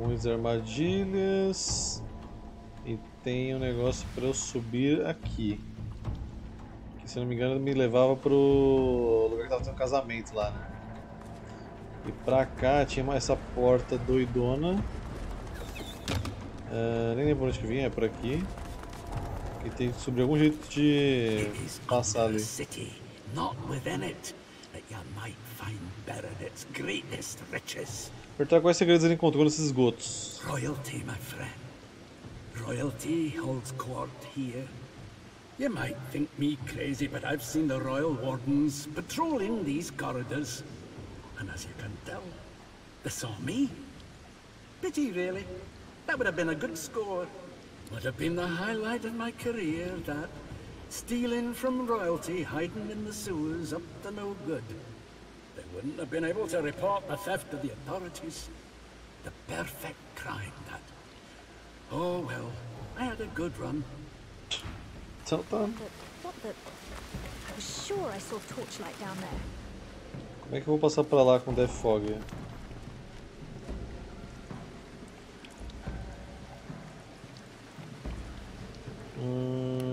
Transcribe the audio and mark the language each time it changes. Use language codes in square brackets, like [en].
[pt] Armadilhas e tem um negócio para eu subir aqui que, se não me engano, me levava pro lugar que tava tendo um casamento lá, né? E pra cá tinha essa porta doidona, nem lembro onde que vinha, é por aqui que tem que subir algum jeito de passar ali. [en] City, not within it, that you might find better than its greatest riches. [pt] Apertar quais segredos ele encontrou nesses esgotos. [en] Royalty, my friend. Royalty holds court here. You might think me crazy, but I've seen the royal wardens patrolling these corridors. And as you can tell, they saw me. Pity, really. That would have been a good score. Would have been the highlight of my career, that. Stealing from royalty, hiding in the sewers, up to no good. They wouldn't have been able to report the theft to the authorities. The perfect crime, that. Oh well, I had a good run. Tell them. I was sure I saw torchlight down there. [pt] Como é que eu vou passar pra lá com death fog? Hmm.